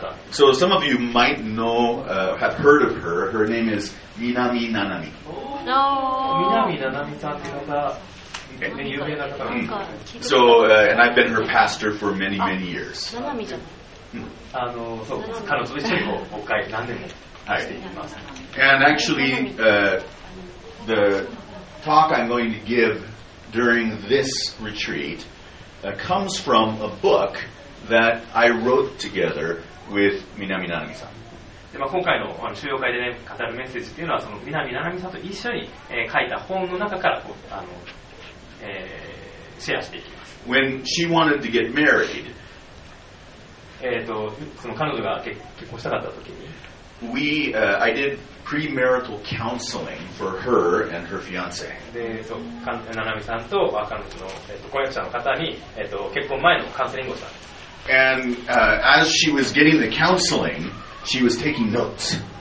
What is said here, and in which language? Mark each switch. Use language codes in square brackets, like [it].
[en] So some of you might know, have heard of her. Her name is Minami Nanami. Oh, no. [ja] Minami Nanami-san という方、有名な方。 [en] So, and I've been her pastor for many, many years. [ja] Nanami じゃない。そう、彼女と一緒に国会何年もしています。 [en] And actually, the talk I'm going to give during this retreat comes from a book. That I wrote together with Minami Nanami-san. [ja] で、まあ、今回の収容会で、ね、語るメッセージというのはその Minami Nanami-san と一緒に、書いた本の中からこう、シェアしていきます。 [en] When she wanted to get married, [ja] その彼女が結婚したかった時に [en] I did premarital counseling for her and her fiance. [ja] で、そう、Nanami-san と彼女の、婚約者の方に、結婚前のカウンセリングをしたんです。 [en] And as she was getting the counseling, she was taking notes.